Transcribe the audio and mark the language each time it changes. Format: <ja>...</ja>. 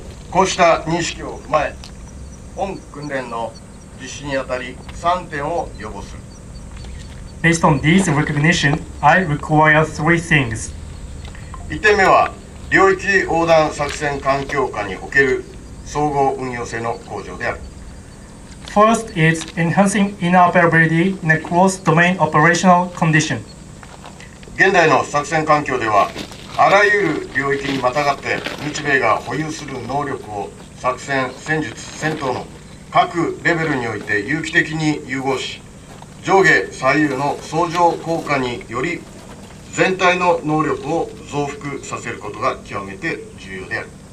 <ja>こうした認識を踏まえ、本訓練の実施にあたり3点を要望する。</ja> <en>Based on this recognition, I require three things.</en> <ja>1点目は、領域横断作戦環境下における総合運用性の向上である。</ja> <en>First is enhancing interoperability in a cross-domain operational condition.</en> <ja>現代の作戦環境では、あらゆる領域にまたがって日米が保有する能力を作戦、戦術、戦闘の各レベルにおいて有機的に融合し、上下左右の相乗効果により全体の能力を増幅させることが極めて重要である。</ja>